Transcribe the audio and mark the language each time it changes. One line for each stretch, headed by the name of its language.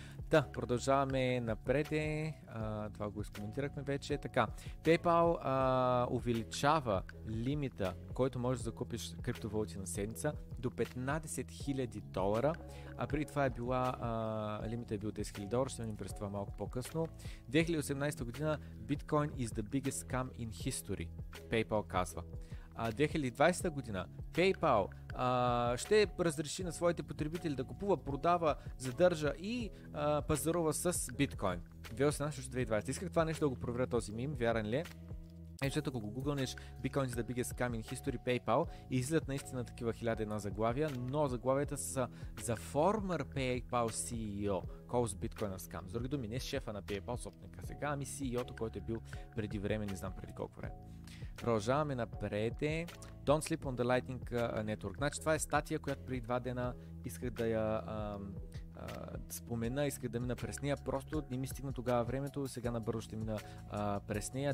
Bulgarian: Да, продължаваме напред. Това го изкоментирахме вече. Така, PayPal увеличава лимита, който можеш да закупиш криптовалути на седмица, до 15 000 долара. А преди това е била, лимита е бил 10 000 долара, ще видим през това малко по-късно.
English: 2018 година Bitcoin is the biggest scam in history, PayPal казва.
Bulgarian: 2020 година PayPal ще разреши на своите потребители да купува, продава, задържа и пазарува с биткоин. 2018-2020. Исках това нещо да го проверя този мим, вярен ли е? Ето, ако го гугълнеш Bitcoin is the biggest scam in history PayPal, излизат наистина такива 1001 заглавия, но заглавията са за former PayPal CEO, calls Bitcoin a scam. С други думи, не шефа на PayPal, собственика сега, ами CEO-то, който е бил преди време, не знам преди колко време.
English: Продължаваме напред. Don't sleep on the Lightning Network.
Bulgarian: Значи това е статия, която преди два дена исках да я спомена, исках да мина през нея. Просто не ми стигна тогава времето, сега набързо ще мина през нея.